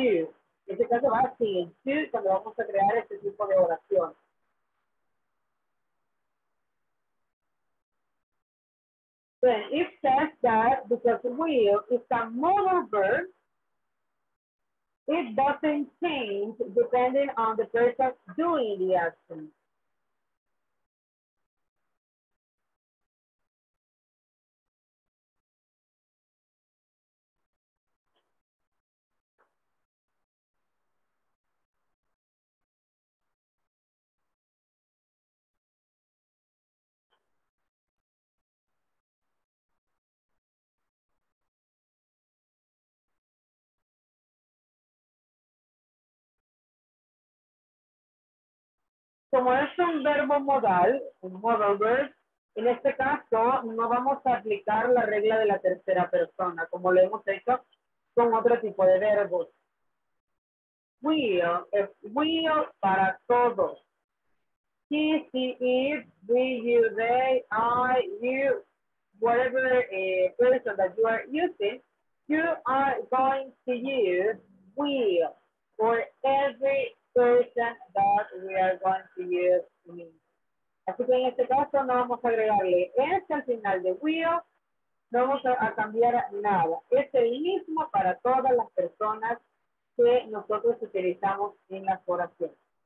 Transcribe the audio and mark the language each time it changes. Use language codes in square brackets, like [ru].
[es] En este caso, va así, en to, cuando vamos a crear este tipo de oración. [en] Then it says that because will is a modal verb, it doesn't change depending on the person doing the action. [es] Como es un verbo modal, un [en] modal verb, [es] en este caso no vamos a aplicar la regla de la tercera persona, como lo hemos hecho con otro tipo de verbos. Will para todos. [en] He, she, it, we, you, they, I, you, whatever person that you are using, you are going to use will for every person that we are going to use me. [es] Así que en este caso no vamos a agregarle S al final de will, no vamos a cambiar nada. Es el mismo para todas las personas que nosotros utilizamos en las oraciones.